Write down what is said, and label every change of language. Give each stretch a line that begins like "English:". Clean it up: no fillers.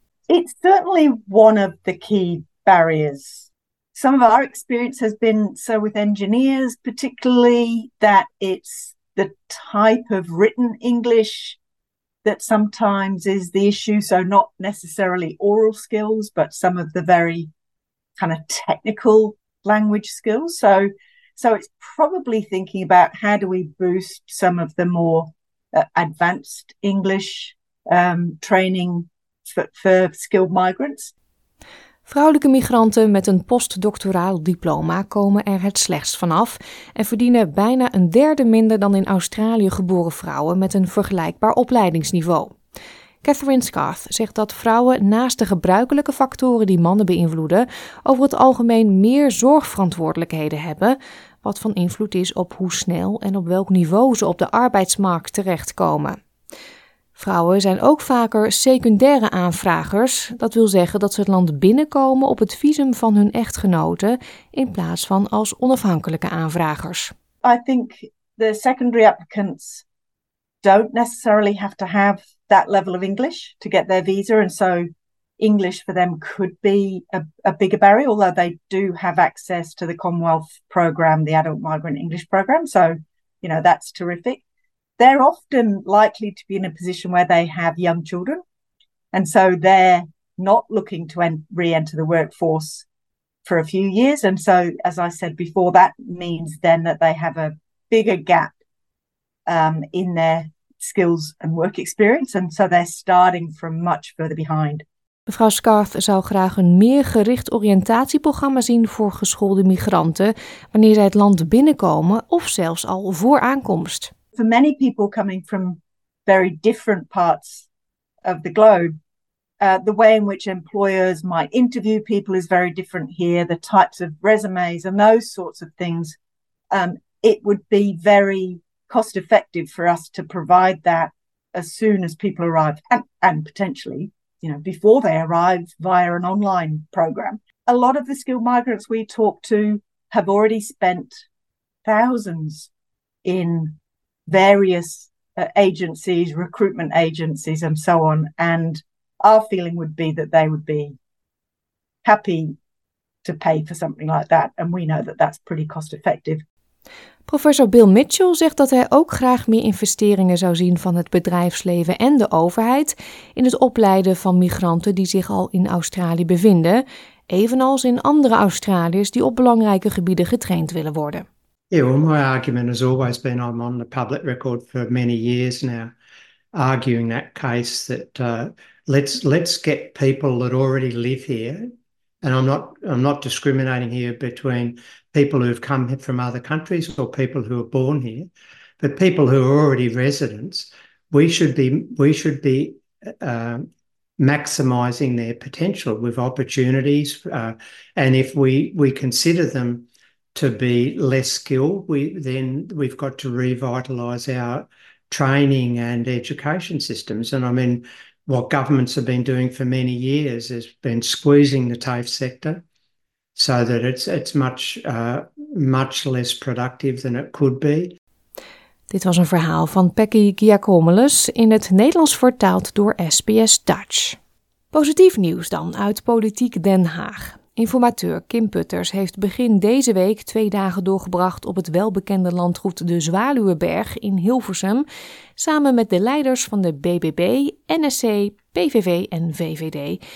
English: It's certainly one of the key barriers. Some of our experience has been so with engineers, particularly that it's the type of written English that sometimes is the issue, so not necessarily oral skills, but some of the very kind of technical language skills. So it's probably thinking about how do we boost some of the more advanced English training for skilled migrants.
Dutch: Vrouwelijke migranten met een postdoctoraal diploma komen er het slechtst vanaf en verdienen bijna een derde minder dan in Australië geboren vrouwen met een vergelijkbaar opleidingsniveau. Catherine Scarth zegt dat vrouwen naast de gebruikelijke factoren die mannen beïnvloeden, over het algemeen meer zorgverantwoordelijkheden hebben, wat van invloed is op hoe snel en op welk niveau ze op de arbeidsmarkt terechtkomen. Vrouwen zijn ook vaker secundaire aanvragers. Dat wil zeggen dat ze het land binnenkomen op het visum van hun echtgenoten in plaats van als onafhankelijke aanvragers.
English: I think the secondary applicants don't necessarily have to have that level of English to get their visa, and so English for them could be a bigger barrier, although they do have access to the Commonwealth program, the Adult Migrant English program, so you know that's terrific. They're often likely to be in a position where they have young children, and so they're not looking to re-enter the workforce for a few years. And so, as I said before, that means then that they have a bigger gap in their skills and work experience, and so they're starting from much further behind.
Dutch: Mevrouw Scarth zou graag een meer gericht oriëntatieprogramma zien voor geschoolde migranten wanneer zij het land binnenkomen of zelfs al voor aankomst.
English: For many people coming from very different parts of the globe, the way in which employers might interview people is very different here, the types of resumes and those sorts of things. It would be very cost effective for us to provide that as soon as people arrive and potentially, you know, before they arrive via an online program. A lot of the skilled migrants we talk to have already spent thousands in various agencies, recruitment agencies and so on, and our feeling would be that they would be happy to pay for something like that, and we know that that's pretty cost effective.
Dutch: Professor Bill Mitchell zegt dat hij ook graag meer investeringen zou zien van het bedrijfsleven en de overheid in het opleiden van migranten die zich al in Australië bevinden, evenals in andere Australiërs die op belangrijke gebieden getraind willen worden.
English: Yeah, well, my argument has always been, I'm on the public record for many years now, arguing that case that let's get people that already live here, and I'm not discriminating here between people who've come here from other countries or people who are born here, but people who are already residents, we should be maximising their potential with opportunities. And if we consider them to be less skilled, then we've got to revitalise our training and education systems. And I mean, what governments have been doing for many years has been squeezing the TAFE sector so that it's much, much less productive than it could be.
Dutch: Dit was een verhaal van Peggy Giacomelis, in het Nederlands vertaald door SBS Dutch. Positief nieuws dan uit Politiek Den Haag. Informateur Kim Putters heeft begin deze week 2 dagen doorgebracht op het welbekende landgoed De Zwaluweberg in Hilversum, samen met de leiders van de BBB, NSC, PVV en VVD.